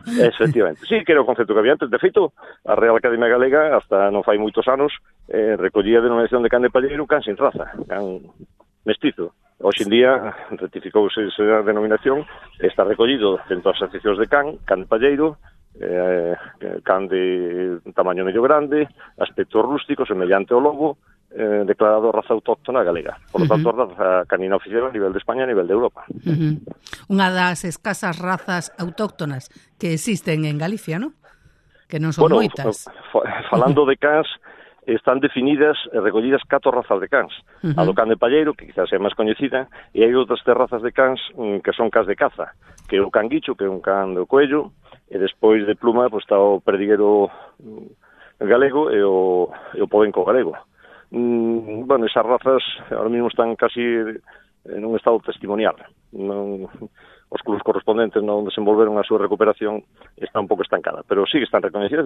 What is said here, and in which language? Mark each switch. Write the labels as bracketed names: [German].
[Galician] Efectivamente. Sí, que era o concepto que había antes. De feito, a Real Academia Galega, hasta non fai moitos anos, recollía a denominación de Can de Palleiro can [Spanish] sin raza, [Galician] can mestizo. Hoxe en día, rectificouse esa denominación, está recollido dentro das asociacións de can, can de palleiro, can de tamaño medio grande, aspecto rústico, semellante ao lobo, declarado raza autóctona galega. [Spanish] Por lo tanto, raza canina oficial a nivel de España, a nivel de Europa. [Galician] Uh-huh. Unha das escasas razas autóctonas que existen en Galicia, ¿no? Que non son bueno, moitas. Falando de cans, están definidas e recollidas 4 razas de cans. Uh-huh. A do can de palleiro, que quizás é máis coñecida, e hai outras 3 razas de cans que son cans de caza, que é o canguicho, que é un can do coello, E despois de pluma, pois está o perdiguero galego e o podenco galego. [Spanish] Bueno, esas razas ahora mismo están casi en un estado testimonial. [Galician] Non, os clubes correspondentes non desenvolveron a súa recuperación, está un pouco estancada, pero sí que están recoñecidas.